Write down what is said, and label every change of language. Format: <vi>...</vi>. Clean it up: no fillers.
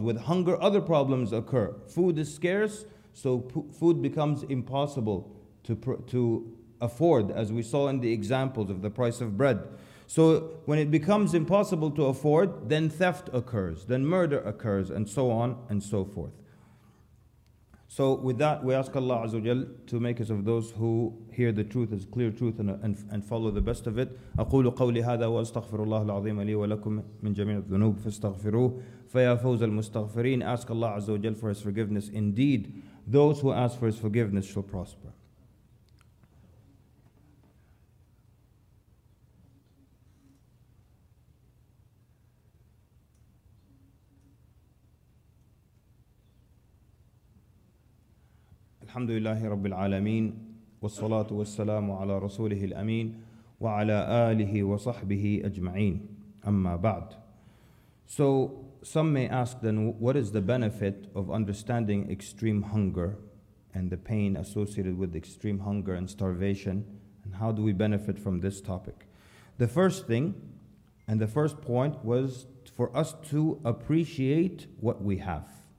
<en>With hunger, other problems occur. Food is scarce, so food becomes impossible to afford, as we saw in the examples of the price of bread. So when it becomes impossible to afford, then theft occurs, then murder occurs, and so on and so forth. So with that, we ask Allah Azza wa Jal to make us of those who hear the truth as clear truth and follow the best of it.</en> <ar>أقول قولي هذا وأستغفر الله العظيم لي ولكم من جميع الذنوب فاستغفروه فيا فوز المستغفرين.</ar> <en>Ask Allah Azza wa Jal for His forgiveness. Indeed, those who ask for His forgiveness shall prosper.</en> <ar>الحمد لله رب العالمين والصلاة والسلام على رسوله الأمين وعلى آله وصحبه أجمعين أما بعد.</ar> <en>So some may ask then, what is the benefit of understanding extreme hunger and the pain associated with extreme hunger and starvation, and how do we benefit from this topic? The first thing and the first point was for us to appreciate what we have.</en>